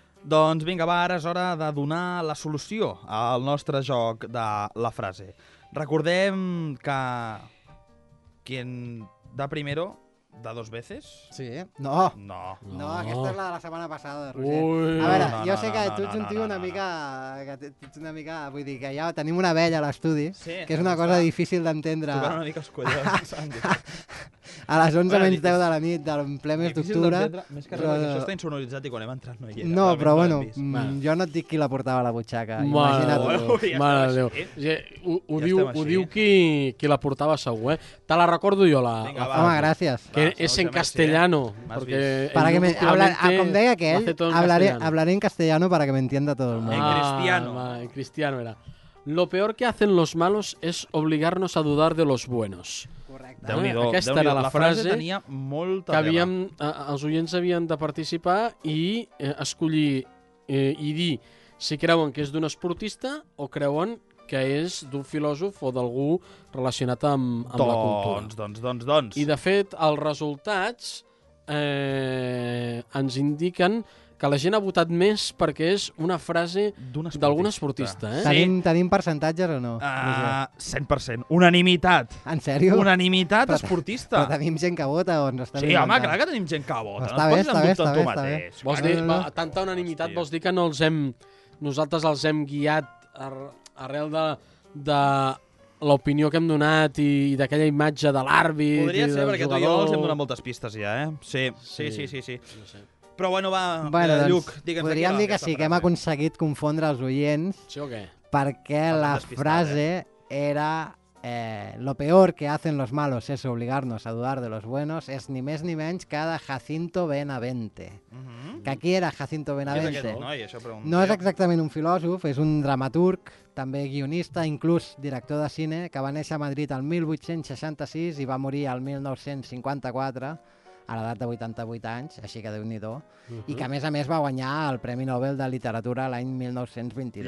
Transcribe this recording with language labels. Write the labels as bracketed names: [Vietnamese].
[Catalan] Doncs vinga, va, ara és hora de donar la solució al nostre joc de la frase. Recordem que [Spanish] quien da primero da dos veces. [Catalan] Sí. No. No. No, no, aquesta és la de la setmana passada, Roger. Ui. A veure, no, jo no, sé que no, tu ets un tio no, no, una mica... Que ets una mica... Vull dir, que ja tenim una vella a l'estudi, sí, que és una cosa va. Difícil d'entendre. Tocant una mica els collons. A les 11 bueno, menys 10 de la nit del ple mes d'octubre. Més que però... res, això està insonoritzat i quan hem entrat no hi era. No, però bueno, jo no et dic qui la portava a la butxaca. Imagina't-ho. Mare de Déu. Ho diu qui la portava segur, eh? Te la recordo jo, la... Vinga, va, home, gràcies. Que va, és en castellano. [Spanish] Para que [Catalan] com deia aquell, [Spanish] hablaré en castellano para que me entienda todo el mundo. En cristiano. En cristiano era. Lo peor que hacen los malos es obligarnos a dudar de los buenos. [Catalan] Déu-n'hi-do. Aquesta era la frase tenia molta que havíem, els oients havien de participar i escollir i dir si creuen que és d'un esportista o creuen que és d'un filòsof o d'algú relacionat amb la cultura. Doncs. I, de fet, els resultats ens indiquen que la gent ha votat més perquè és una frase d'algun esportista. Eh? Sí. Tenim percentatges o no? 100%. Unanimitat. En sèrio? Unanimitat però, esportista. Però tenim gent que vota o ens està sí, home, clar que tenim gent que vota. Està bé, està bé, està bé, està bé. Vols dir, va, tanta unanimitat, vols dir que no els hem... Nosaltres els hem guiat arrel de l'opinió que hem donat i d'aquella imatge de l'àrbit i del jugador... Podria ser, perquè jugador. Tu i jo els hem donat moltes pistes ja, eh? Sí. No sé. Però bueno, va, bueno, doncs, Lluc, digue'ns... Podríem dir que sí, que hem aconseguit confondre els oients. Sí o què? Perquè la frase era... [Spanish] lo peor que hacen los malos es obligarnos a dudar de los buenos, [Catalan] es ni més ni menys que de Jacinto Benavente. Mm-hmm. Que qui era Jacinto Benavente? No és exactament un filòsof, és un dramaturg, també guionista, inclús director de cine, que va néixer a Madrid el 1866 i va morir el 1954... a l'edat de 88 anys, així que déu-n'hi-do, uh-huh. I que a més va guanyar el Premi Nobel de Literatura l'any 1922.